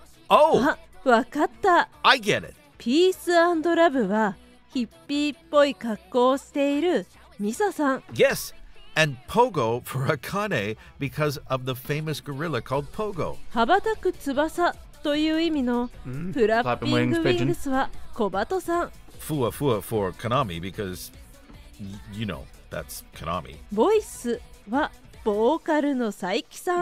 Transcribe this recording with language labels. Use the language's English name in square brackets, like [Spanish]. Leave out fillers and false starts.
[Japanese] Oh! わかった。 [English] I get it. [Japanese] Peace and Love は、ヒッピーっぽい格好をしているミサさん。 [English] Yes! And Pogo for Akane because of the famous gorilla called Pogo. [Japanese] 羽ばたく翼という意味のフラッピングウィングスはコバトさん。 [English] フワフワ for Konami because, you know, that's Konami. [Japanese] ボイスはボーカルのサイキさん。